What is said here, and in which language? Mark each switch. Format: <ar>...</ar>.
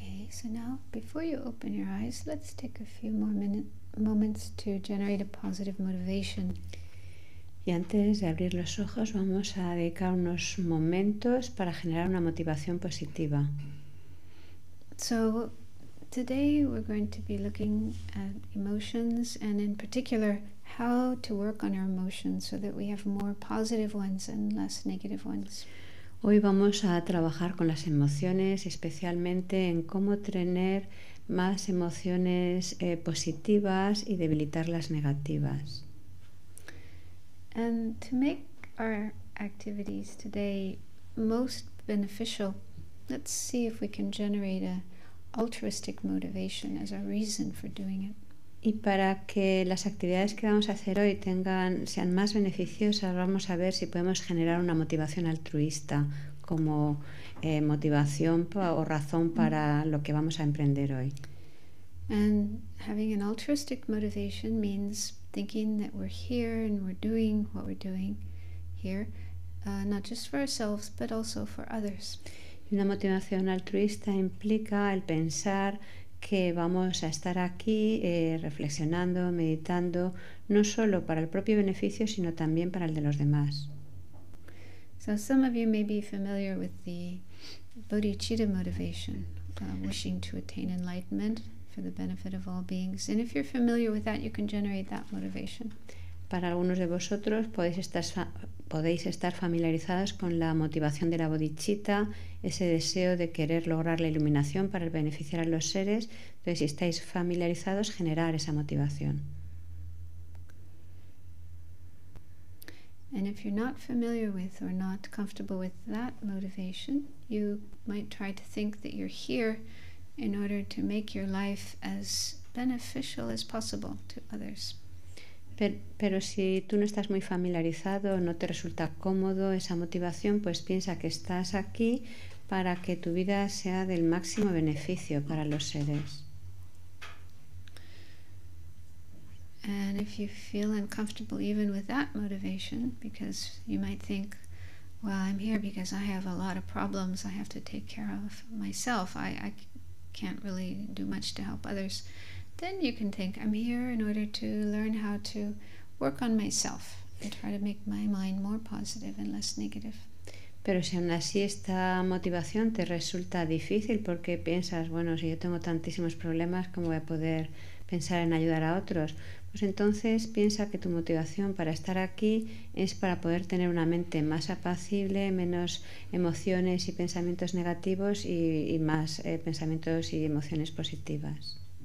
<en>So now, before you open your eyes, let's take a few more moments to generate a positive motivation.</en> <es>Y antes de abrir los ojos, vamos a dedicar unos momentos para generar una motivación positiva.</es> <en>So, today we're going to be looking at emotions, and in particular, how to work on our emotions so that we have more positive ones and less negative ones.</en> <es>Hoy vamos a trabajar con las emociones, especialmente en cómo tener más emociones positivas y debilitar las negativas.</es> <en>And to make our activities today most beneficial, let's see if we can generate an altruistic motivation as a reason for doing it.</en> <es>Y para que las actividades que vamos a hacer hoy sean más beneficiosas, vamos a ver si podemos generar una motivación altruista como motivación o razón para lo que vamos a emprender hoy.</es> <en>And having an altruistic motivation means thinking that we're here and we're doing what we're doing here, not just for ourselves, but also for others.</en> <es>Y una motivación altruista implica el pensar que vamos a estar aquí reflexionando, meditando, no solo para el propio beneficio, sino también para el de los demás.</es> <en>So some of you may be familiar with the bodhicitta motivation, wishing to attain enlightenment for the benefit of all beings. And if you're familiar with that, you can generate that motivation.</en> <es>Para algunos de vosotros podéis estar familiarizados con la motivación de la bodhicitta, ese deseo de querer lograr la iluminación para beneficiar a los seres. Entonces, si estáis familiarizados, generar esa motivación.</es> <en>And if you're not familiar with or not comfortable with that motivation, you might try to think that you're here in order to make your life as beneficial as possible to others.</en> <es>Pero si tú no estás muy familiarizado, no te resulta cómodo esa motivación, pues piensa que estás aquí para que tu vida sea del máximo beneficio para los seres.</es> <en>And if you feel uncomfortable even with that motivation, because you might think, well, I'm here because I have a lot of problems I have to take care of myself, I can't really do much to help others. Then you can think, I'm here in order to learn how to work on myself and try to make my mind more positive and less negative.</en> <es>Pero si aún así esta motivación te resulta difícil porque piensas, bueno, si yo tengo tantísimos problemas, ¿cómo voy a poder pensar en ayudar a otros? Pues entonces piensa que tu motivación para estar aquí es para poder tener una mente más apacible, menos emociones y pensamientos negativos y más pensamientos y emociones positivas.</es>